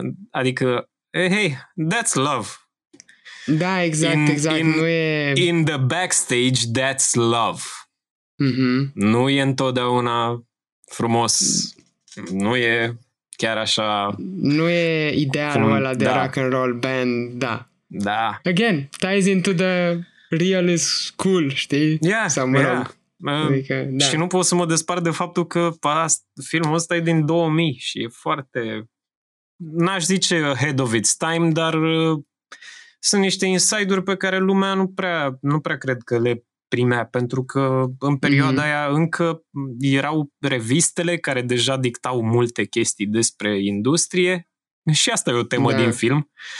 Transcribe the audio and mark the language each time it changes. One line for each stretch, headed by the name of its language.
Romanian: Adică,
English: hey, that's love.
Romanian: Da, exact, nu e...
English: In the backstage, that's love.
Romanian: Nu e întotdeauna frumos, nu e chiar așa... Nu e idealul ăla de rock and roll band, da. Da.
English: Again, ties into the real is cool,
Romanian: știi?
English: Yeah,
Romanian: sau mă rog. Adică, da. Și nu pot să mă despart de faptul că filmul ăsta e din 2000 și e foarte... N-aș zice
English: ahead of its time,
Romanian: dar sunt niște insider-uri pe care lumea nu prea cred că le primea, pentru că în perioada aia încă erau revistele care deja dictau multe chestii despre industrie și asta e o temă din film.